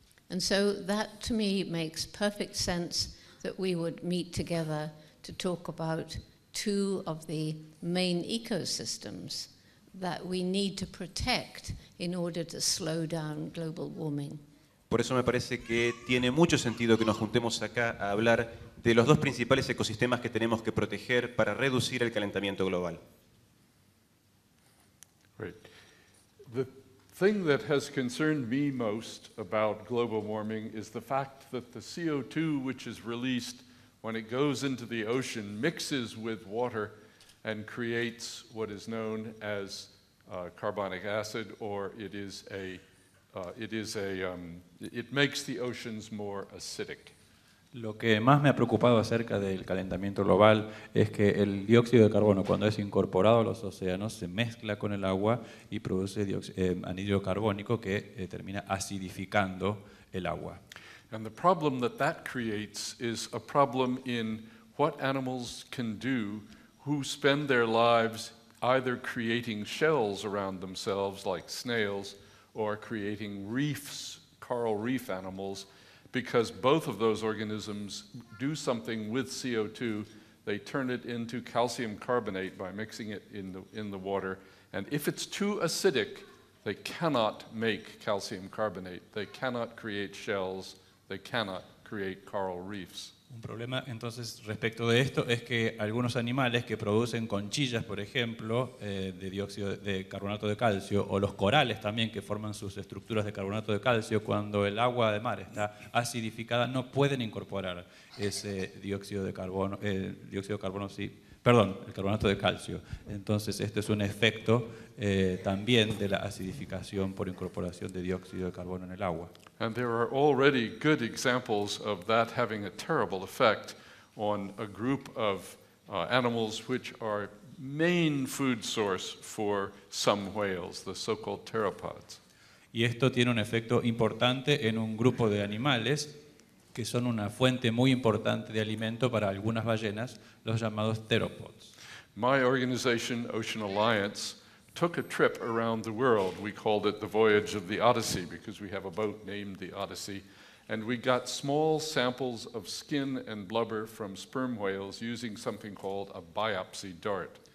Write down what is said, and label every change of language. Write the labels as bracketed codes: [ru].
[en] And so that to me makes perfect sense that we would meet together to talk about two of the main ecosystems that we need to protect in order to slow down global warming. [es] Por eso me parece que tiene mucho sentido que nos juntemos acá a hablar de los dos principales ecosistemas que tenemos que proteger para reducir el calentamiento global. [en] Right. The thing that has concerned me most about global warming is the fact that the CO2 which is released when it goes into the ocean mixes with water and creates what is known as carbonic acid, or it makes the oceans more acidic. [es] Lo que más me ha preocupado acerca del calentamiento global es que el dióxido de carbono, cuando es incorporado a los océanos, se mezcla con el agua y produce anhídrido carbónico que termina acidificando el agua. [en] And the problem that that creates is a problem in what animals can do who spend their lives either creating shells around themselves like snails or creating reefs, coral reef animals, because both of those organisms do something with CO2. They turn it into calcium carbonate by mixing it in the water. And if it's too acidic, they cannot make calcium carbonate. They cannot create shells. They cannot create coral reefs. [es] Un problema, entonces, respecto de esto es que algunos animales que producen conchillas, por ejemplo, de dióxido de carbonato de calcio, o los corales también que forman sus estructuras de carbonato de calcio, cuando el agua de mar está acidificada, no pueden incorporar ese dióxido de carbono, el carbonato de calcio. Entonces, este es un efecto también de la acidificación por incorporación de dióxido de carbono en el agua. [en] And there are already good examples of that having a terrible effect on a group of animals which are main food source for some whales, the so-called pteropods. [es] Y esto tiene un efecto importante en un grupo de animales que son una fuente muy importante de alimento para algunas ballenas, los llamados pteropods. [en] My organization, Ocean Alliance, took a trip around the world. We called it the Voyage of the Odyssey because we have a boat named the Odyssey. And we got small samples of skin and blubber from sperm whales using something called a biopsy dart.